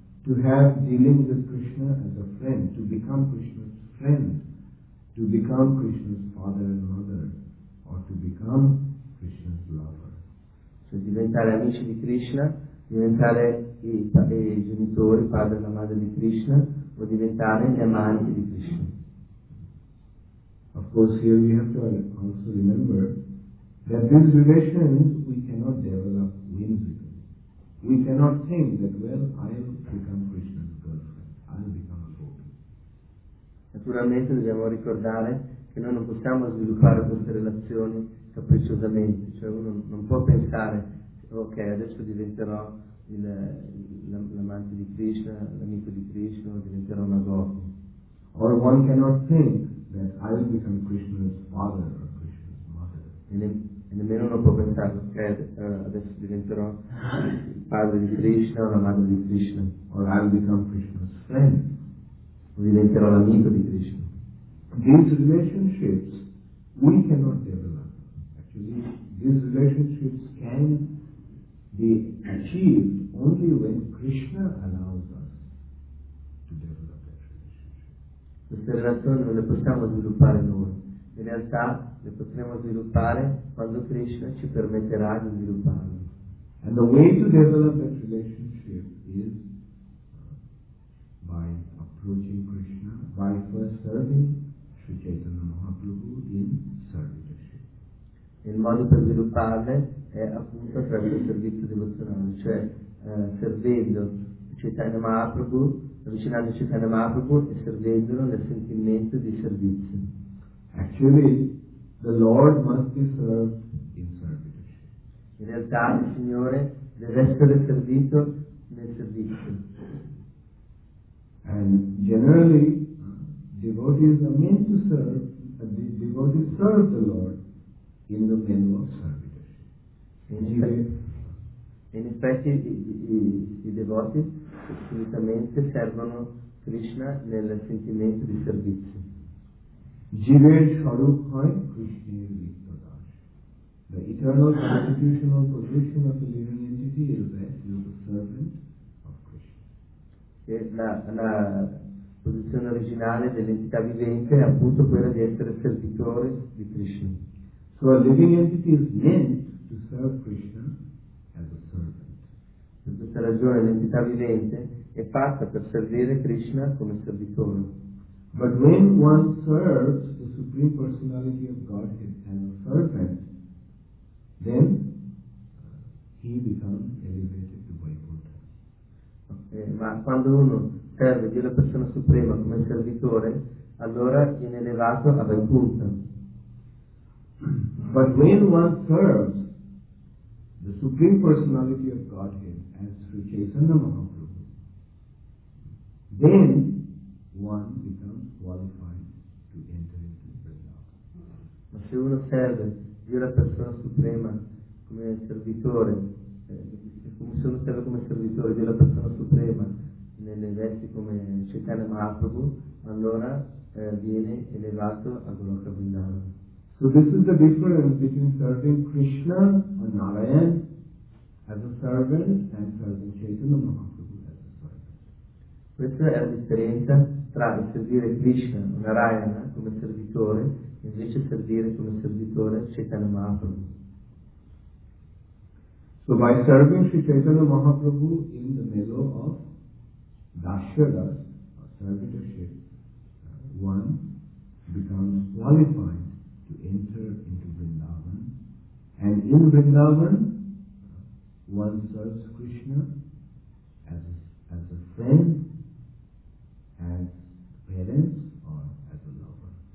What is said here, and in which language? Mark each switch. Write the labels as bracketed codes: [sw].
[en] To have dealing with Krishna as a friend, to become Krishna's friend, to become Krishna's father and mother, or to become Krishna's lover. [it] So diventare amici di Krishna, diventare i genitori, padre e la madre di Krishna, o diventare gli amanti di Krishna. [en] Of course, here we have to also remember that these relations we cannot develop whimsically. We cannot think that, well, I'll become Krishna's girlfriend, I'll become a gopi. [it] Naturalmente dobbiamo ricordare che noi non possiamo sviluppare queste relazioni capricciosamente, cioè uno non può pensare ok, adesso diventerò l'amante di Krishna, l'amico di Krishna, diventerò una gopi. [en] Or one cannot think that I will become Krishna's father or Krishna's mother. [it] E nemmeno uno può pensare, ok, adesso diventerò il padre di Krishna o la madre di Krishna. [en] Or I will become Krishna's friend. [it] O diventerò l'amico di Krishna. [en] These relationships we cannot develop. Actually, these relationships can be achieved only when Krishna allows us to develop that relationship. [it] Queste relazioni non le possiamo sviluppare noi. In realtà le potremo sviluppare quando Krishna ci permetterà di svilupparle. [en] And the way to develop that relationship is by approaching Krishna, by first serving Sri Chaitanya Mahaprabhu in servitorship. [it] Il modo per svilupparle è appunto attraverso il servizio devozionale, cioè servendo Chaitanya Mahaprabhu, avvicinando Chaitanya Mahaprabhu e servendolo nel sentimento di servizio. [en] Actually, the Lord must be served in servitorship. [it] In realtà, il Signore deve essere servito nel servizio. [en] And generally, devotees are meant to serve, but the devotees serve the Lord in the menu of servitorship. [it] In effetti, i devoti assolutamente servono Krishna nel sentimento di servizio. [bn] Jiver Sharup Hai Krishna Vipadash. [en] The eternal constitutional position of the living entity is that you are the servant of Krishna. [it] La posizione originale dell'entità vivente è appunto quella di essere servitore di Krishna. [en] So a living entity is meant to serve Krishna as a servant. [it] Per questa ragione l'entità vivente è fatta per servire Krishna come servitore. [en] But when one serves the Supreme Personality of Godhead as a servant, then he becomes elevated to Vaikuntha. [it] Ma quando uno serve Dio la persona suprema come servitore, allora viene elevato a Vaikuntha. [en] But when one serves the Supreme Personality of Godhead as Sri Chaitanya Mahaprabhu, then one becomes qualified to enter into Vrindavan. [it] Ma se uno serve Dio la persona suprema come servitore, come se uno serve come servitore Dio la persona suprema nelle vesti come Chaitanya Mahaprabhu, allora viene elevato a Goloka Vrindavan. [en] So this is the difference between serving Krishna or Narayan as a servant and serving Chaitanya Mahaprabhu as a servant. [it] Questa è la differenza tra servire Krishna, Narayana, come servitore, e invece servire come servitore Chaitanya Mahaprabhu. [en] So by serving Sri Chaitanya Mahaprabhu in the mellow of Dasharas, or servitorship, one becomes qualified to enter into Vrindavan, and in Vrindavan, one serves Krishna as a friend, as parents or as a lover.